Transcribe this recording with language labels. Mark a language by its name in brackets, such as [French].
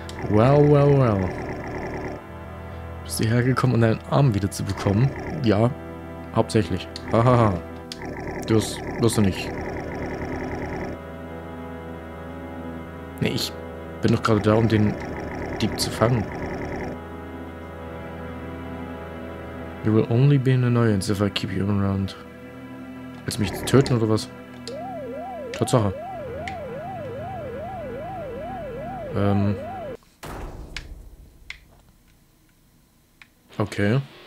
[English] Well, well, well. [German] Bist du hergekommen, um deinen Arm wiederzubekommen? Ja, hauptsächlich. Hahaha. Das wirst du nicht. Nee, ich bin doch gerade da, um den Dieb zu fangen. [English] You will only be an annoyance if I keep you around. [German] Willst du mich töten oder was? Tatsache. Okay.